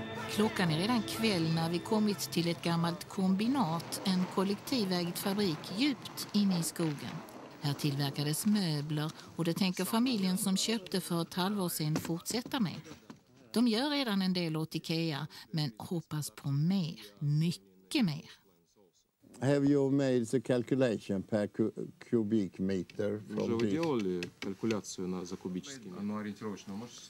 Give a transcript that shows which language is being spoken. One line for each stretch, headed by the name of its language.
Swedish: Klockan är redan kväll när vi kommit till ett gammalt kombinat, en kollektivägd fabrik djupt inne i skogen. Här tillverkades möbler och det tänker familjen som köpte för ett halvår sedan fortsätta med. De gör redan en del åt IKEA men hoppas på mer, mycket mer.
English: Have you made the calculation per cubic meter?
Russian: Уже делали калькуляцию на за кубический метр. Оно ориентировочно может